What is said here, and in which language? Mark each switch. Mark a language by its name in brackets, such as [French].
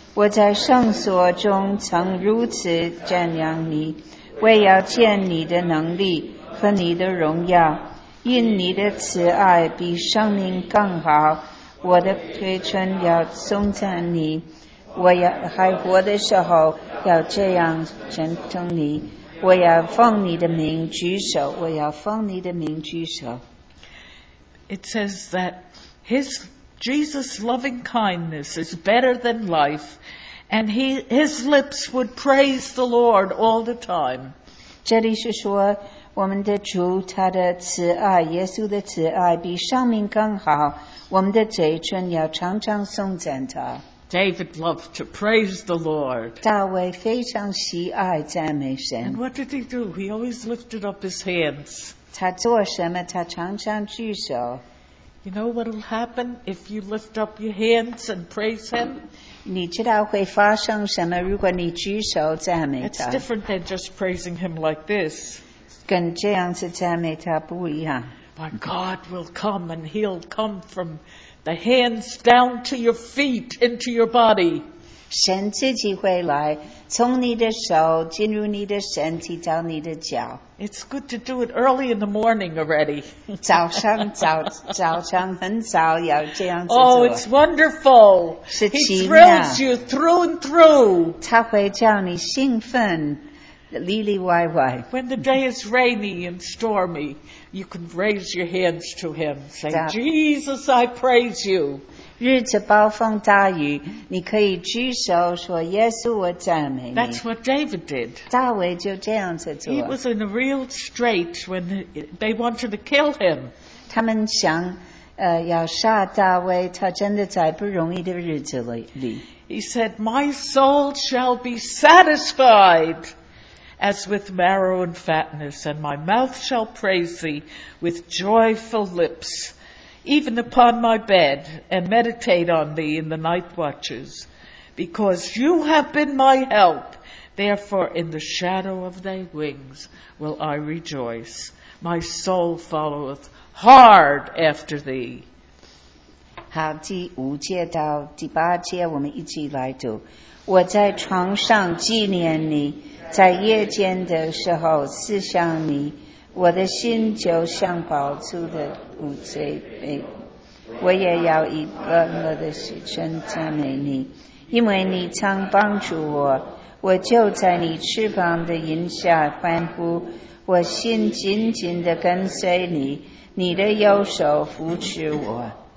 [Chinese] 我在圣所中曾如此瞻仰你，为要见你的能力和你的荣耀，因你的慈爱比生命更好。我的嘴唇要颂赞你，我要还活的时候要这样称颂你。我要奉你的名举手，我要奉你的名举手。 [English] It says that his Jesus loving kindness is better than life, and his lips would praise the Lord all the time. [Chinese] 这里是说我们的主他的慈爱，耶稣的慈爱比生命更好。我们的嘴唇要常常颂赞他。 [English] David loved to praise the Lord. [Chinese] 大卫非常喜爱赞美神。 [English] And what did he do? He always lifted up his hands. [Chinese] 他做什么？他常常举手。 [English] You know what will happen if you lift up your hands and praise him? [Chinese] 你知道会发生什么？如果你举手赞美他。 [English] It's different than just praising him like this. [Chinese] 跟这样子赞美他不一样。 [English] My God will come and he'll come from the hands down to your feet into your body. [Chinese] 神自己会来，从你的手进入你的身体到你的脚。 [English] It's good to do it early in the morning already. [Chinese] 早上早上很早要这样子做。 [English] Oh, it's wonderful. He thrills you through and through. [Chinese] 他会叫你兴奋。 Lily-wai-wai. [English] When the day is rainy and stormy, you can raise your hands to him, say, Jesus, I praise you. [Chinese] 日子暴风大雨，你可以举手说，耶稣，我赞美你。 [English] That's what David did. [Chinese] 大卫就这样子做。 [English] He was in a real strait when they wanted to kill him. [Chinese] 他们想要杀大卫，他真的在不容易的日子里。 [English] He said, my soul shall be satisfied. As with marrow and fatness, and my mouth shall praise thee with joyful lips, even upon my bed, and meditate on thee in the night watches. Because you have been my help, therefore in the shadow of thy wings will I rejoice. My soul followeth hard after thee. [Chinese] 好，第五节到第八节，我们一起来读。我在床上纪念你。在夜间的时候思想你，我的心就像宝珠的五嘴杯，我也要以歌乐的时辰赞美你，因为你常帮助我，我就在你翅膀的荫下欢呼，我心紧紧地跟随你，你的右手扶持我。